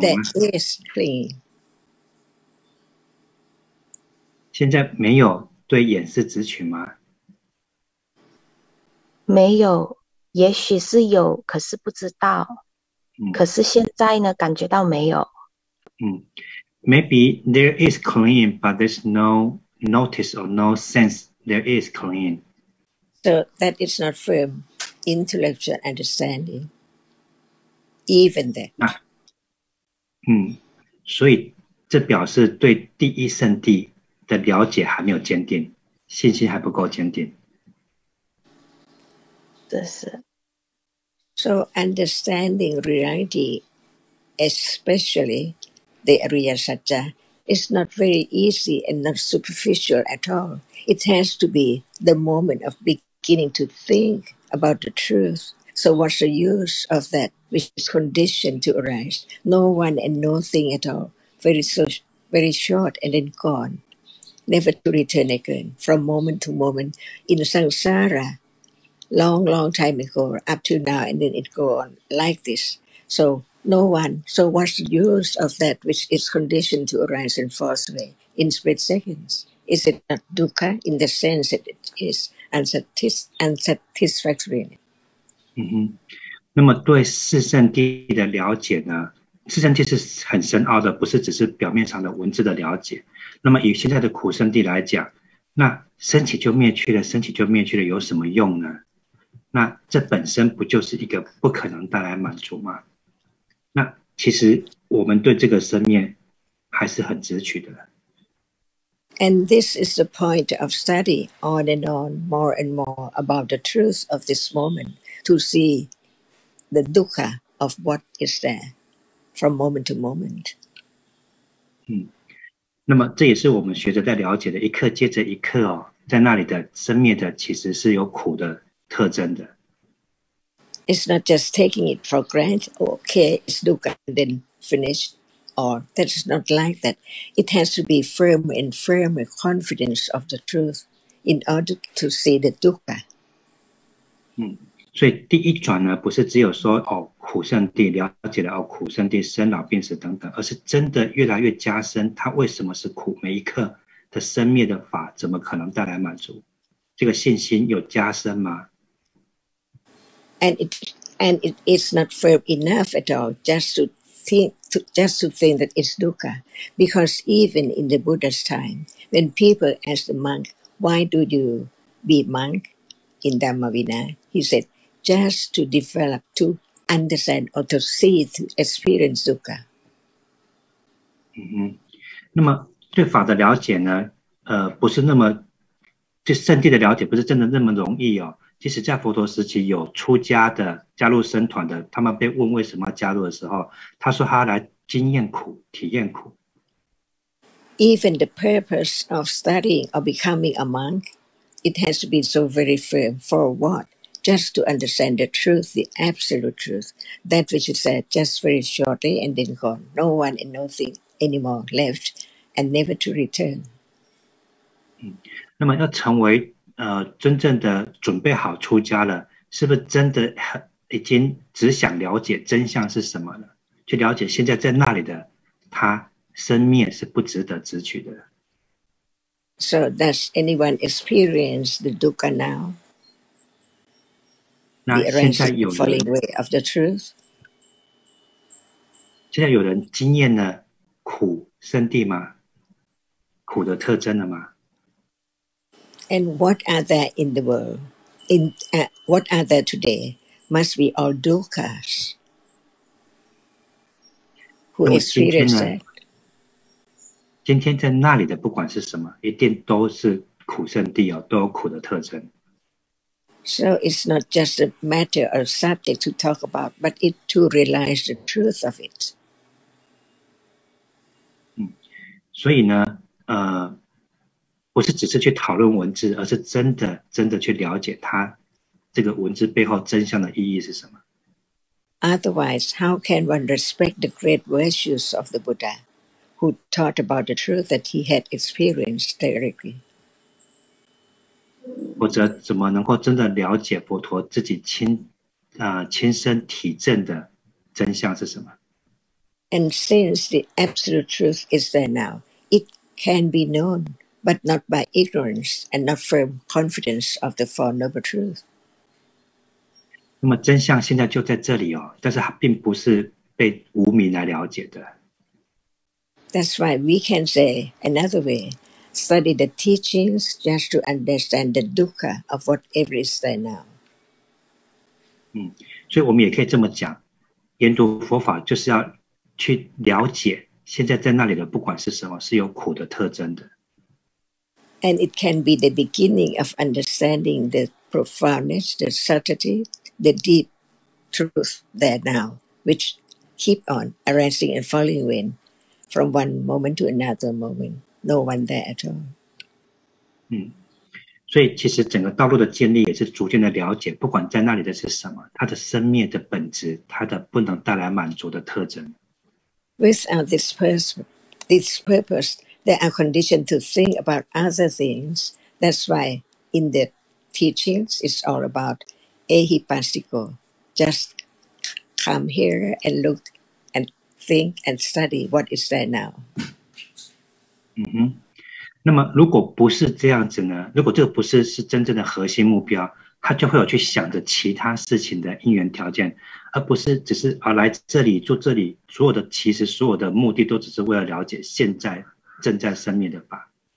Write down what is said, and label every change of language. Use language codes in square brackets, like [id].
[en] That is clinging. [zh] 现在没有对眼识执取吗？没有，也许是有，可是不知道。可是现在呢，感觉到没有。 [en] Maybe there is clinging, but there's no notice or no sense there is clinging. So that is not firm intellectual understanding. Even that. [zh] 所以这表示对第一圣谛的了解还没有坚定，信心还不够坚定。 [en] So understanding reality, especially the Ariya Satta, is not very easy and not superficial at all. It has to be the moment of beginning to think about the truth. So what's the use of that which is conditioned to arise? No one and nothing at all. Very, so, very short and then gone, never to return again from moment to moment in samsara, long, long time ago, up to now, and then it go on like this. So no one, so what's the use of that which is conditioned to arise and fall away in split seconds? Is it not dukkha in the sense that it is unsatisfactory? [zh] Mm-hmm. 那么对四圣谛的了解呢，四圣谛是很深奥的，不是只是表面上的文字的了解。那么以现在的苦圣谛来讲，那升起就灭去了，升起就灭去了，有什么用呢？那这本身不就是一个不可能带来满足吗？那其实我们对这个生灭还是很执取的。 [en] And this is the point of study on and on, more and more about the truth of this moment. To see the dukkha of what is there from moment to moment. [zh] 嗯，那么这也是我们学着在了解的一刻接着一刻哦，在那里的生灭的其实是有苦的特征的。 [en] It's not just taking it for granted. Okay, it's dukkha, then finish. Or that is not like that. It has to be firm and firm with confidence of the truth in order to see the dukkha. 嗯。 [zh] 所以第一转呢，不是只有说哦苦圣谛了解了哦苦圣谛生老病死等等，而是真的越来越加深它为什么是苦，每一刻的生灭的法怎么可能带来满足？这个信心有加深吗 [en] ？And it is not firm enough at all just to think that it's dukkha, because even in the Buddha's time, when people ask the monk, "Why do you be monk in Dhamma Vinaya?" he said. Just to develop, to understand, or to see, to experience dukkha. [zh] 嗯，那么对法的了解呢？不是那么对圣谛的了解，不是真的那么容易哦。即使在佛陀时期，有出家的加入僧团的，他们被问为什么加入的时候，他说他来经验苦，体验苦。 [en] Even the purpose of studying or becoming a monk, it has to be so very firm. For what? Just to understand the truth, the absolute truth, that which is said just very shortly and then gone, no one and nothing anymore left, and never to return. [zh] 嗯，那么要成为真正的准备好出家了，是不是真的已经只想了解真相是什么了？去了解现在在那里的他生灭是不值得执取的。 [en] So does anyone experience the dukkha now? [zh] 那现在有人 [en] falling away of the truth. [zh] 现在有人经验了苦圣谛吗？苦的特征了吗 [en] ？And what are there in the world? In what are there today? Must be all dukkhas. Who experienced that? [zh] 今天在那里的不管是什么，一定都是苦圣谛哦，都有苦的特征。 [en] So it's not just a matter or subject to talk about, but it to realize the truth of it. [zh] 嗯，所以呢，不是只是去讨论文字，而是真的真的去了解它这个文字背后真相的意义是什么。 [en] Otherwise, how can one respect the great virtues of the Buddha, who taught about the truth that he had experienced directly? [zh] 或者怎么能够真的了解佛陀自己亲身体证的真相是什么 [en] ？And since the absolute truth is there now, it can be known, but not by ignorance and not firm confidence of the Four Noble Truths. [zh] 那么真相现在就在这里哦，但是它并不是被无明来了解的。 [en] That's why we can say another way. Study the teachings just to understand the dukkha of whatever is there now. [zh] 嗯，所以我们也可以这么讲，研读佛法就是要去了解现在在那里的不管是什么，是有苦的特征的。 [en] And it can be the beginning of understanding the profoundness, the subtlety, the deep truth there now, which keep on arising and falling away from one moment to another moment. No one there at all. [zh] 嗯，所以其实整个道路的建立也是逐渐的了解，不管在那里的是什么，它的生灭的本质，它的不能带来满足的特征。 [en] Without this first this purpose, they are conditioned to think about other things. That's why in the teachings, it's all about ehipasiko, just come here and look and think and study what is there now. [zh] 嗯哼，那么如果不是这样子呢？如果这个不是是真正的核心目标，他就会有去想着其他事情的因缘条件，而不是只是啊来这里做这里，所有的其实所有的目的都只是为了了解现在正在生命的法。